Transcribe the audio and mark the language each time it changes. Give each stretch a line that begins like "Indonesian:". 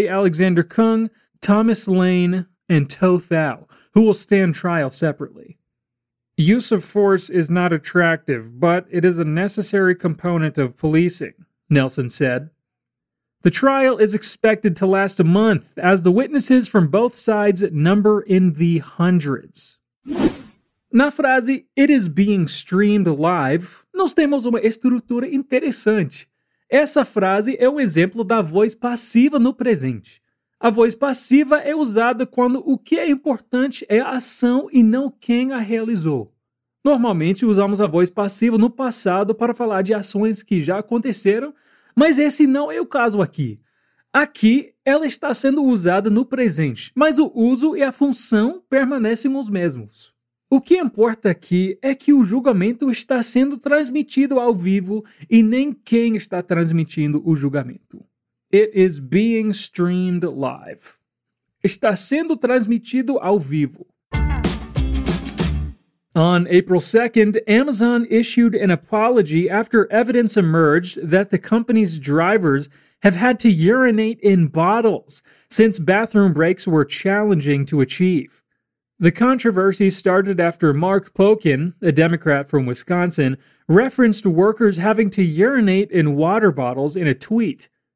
English: Alexander Kung, Thomas Lane, and To Thao, who will stand trial separately. Use of force is not attractive, but it is a necessary component of policing, Nelson said. The trial is expected to last a month, as the witnesses from both sides number in the hundreds.
Portuguese: Na frase,
English: it is being streamed live,
Portuguese: nós temos uma estrutura interessante. Essa frase é um exemplo da voz passiva no presente. A voz passiva é usada quando o que é importante é a ação e não quem a realizou. Normalmente, usamos a voz passiva no passado para falar de ações que já aconteceram, mas esse não é o caso aqui. Aqui, ela está sendo usada no presente, mas o uso e a função permanecem os mesmos. O que importa aqui é que o julgamento está sendo transmitido ao vivo e nem quem está transmitindo o julgamento.
English: It is being streamed live.
Portuguese: Está sendo transmitido ao vivo.
English: On April 2nd, Amazon issued an apology after evidence emerged that the company's drivers have had to urinate in bottles since bathroom breaks were challenging to achieve. The controversy started after Mark Pokin, a Democrat from Wisconsin, referenced workers having to urinate in water bottles in a tweet.